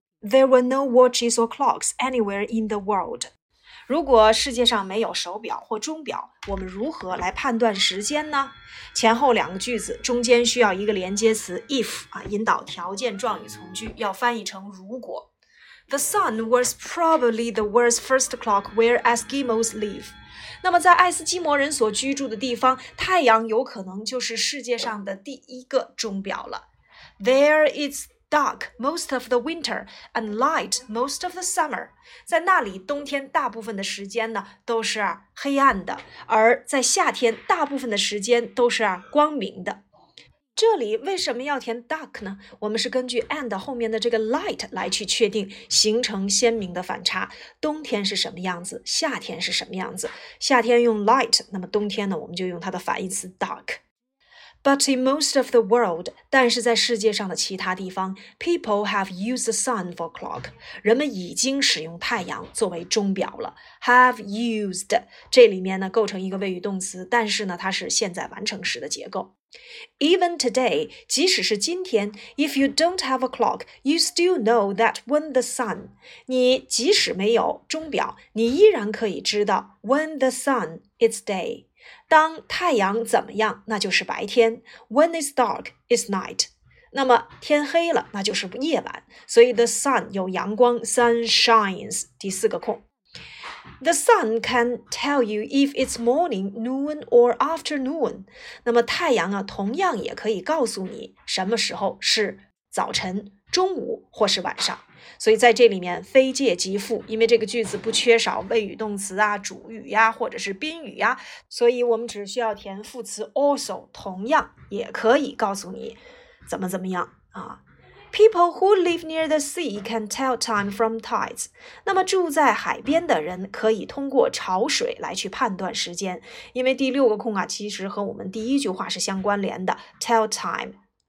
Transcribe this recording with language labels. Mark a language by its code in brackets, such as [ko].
[en] There were no watches or clocks anywhere in the world. [zh] 如果世界上没有手表或钟表，我们如何来判断时间呢？前后两个句子，中间需要一个连接词 if 啊，引导条件状语从句，要翻译成如果。 [en] The sun was probably the world's first clock where Eskimos live. [zh] 那么在爱斯基摩人所居住的地方，太阳有可能就是世界上的第一个钟表了。 [en] There it's dark most of the winter and light most of the summer. [zh] 在那里冬天大部分的时间呢都是黑暗的，而在夏天大部分的时间都是光明的。这里为什么要填 dark 呢？我们是根据 and 后面的这个 light 来去确定，形成鲜明的反差。冬天是什么样子？夏天是什么样子？夏天用 light， 那么冬天呢，我们就用它的反义词 dark。 [en] But in most of the world， [zh] 但是在世界上的其他地方 [en] ，people have used the sun for clock， [zh] 人们已经使用太阳作为钟表了。 [en] Have used [zh] 这里面呢构成一个谓语动词，但是呢它是现在完成时的结构。 [en] Even today， [zh] 即使是今天 [en] ，if you don't have a clock， you still know that when the sun， [zh] 你即使没有钟表，你依然可以知道 [en] when the sun is day。 [zh] 当太阳怎么样，那就是白天。 [en] When it's dark, it's night. [zh] 那么天黑了，那就是夜晚。所以 the sun 有阳光 ， [en] sun shines， [zh] 第四个空。 [en] The sun can tell you if it's morning, noon, or afternoon. [zh] 那么太阳啊，同样也可以告诉你什么时候是早晨、中午或是晚上。所以在这里面非介即附，因为这个句子不缺少谓语动词啊、主语呀、啊、或者是宾语呀、啊，所以我们只需要填副词 also， 同样也可以告诉你怎么怎么样啊。 [en] People who live near the sea can tell time from tides. [zh] 那么住在海边的人可以通过潮水来去判断时间，因为第六个空啊，其实和我们第一句话是相关联的 ， [en] tell time。